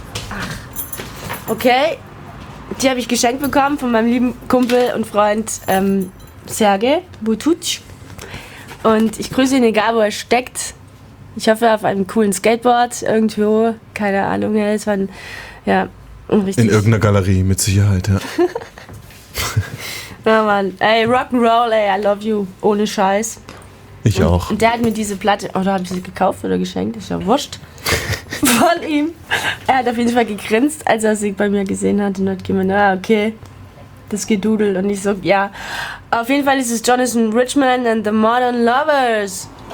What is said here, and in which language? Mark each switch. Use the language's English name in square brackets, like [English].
[German] Ach. Okay. Die habe ich geschenkt bekommen von meinem lieben Kumpel und Freund Serge Bututsch. Und ich grüße ihn, egal wo er steckt. Ich hoffe, auf einem coolen Skateboard irgendwo. Keine Ahnung, es war ein, ja, richtig. In irgendeiner Galerie, mit Sicherheit, ja. Na Mann, ey, Rock'n'Roll, ey, [English] I love you. [German] Ohne Scheiß. Ich und, auch. Und der hat mir diese Platte, oder habe ich sie gekauft oder geschenkt? Ist ja wurscht. Von ihm. Er hat auf jeden Fall gegrinst, als er sie bei mir gesehen hat. Und hat gemeint, ah, okay, das gedudelt. Und ich so, ja. Auf jeden Fall ist es Jonathan Richman and the Modern Lovers.